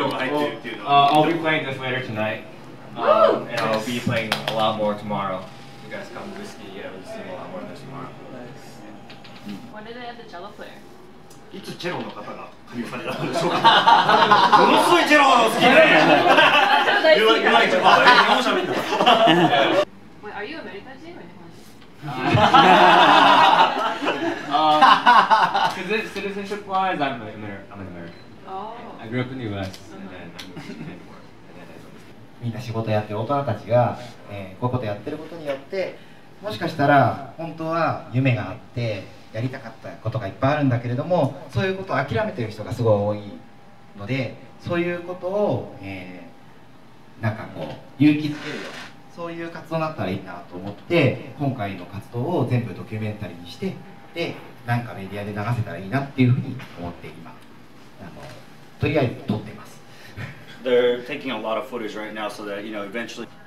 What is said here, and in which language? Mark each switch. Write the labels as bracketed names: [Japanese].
[English] I'll be playing this later tonight, and I'll be playing a lot more tomorrow. You guys come to Whiskey, yeah, we'll sing a lot more than tomorrow. When did they have the cello player? [Japanese] いつチェロの方が加入されたんでしょうか。ものすごいチェロが好きで。 [English] You like my job? [Japanese] 日本語喋る。 [English] Wait, are you a American team or Japanese? Citizenship wise, I'm an American. Oh. I grew up in the US. And then [Japanese] みんな仕事やってる大人たちが、こういうことやってることによって、もしかしたら本当は夢があって。やりたかったことがいっぱいあるんだけれども、そういうことを諦めてる人がすごい多いので、そういうことを、なんかこう勇気づけるような、そういう活動だったらいいなと思って、今回の活動を全部ドキュメンタリーにして、でなんかメディアで流せたらいいなっていうふうに思って、今とりあえず撮ってます。 [English] They're taking a lot of footage right now so that you know eventually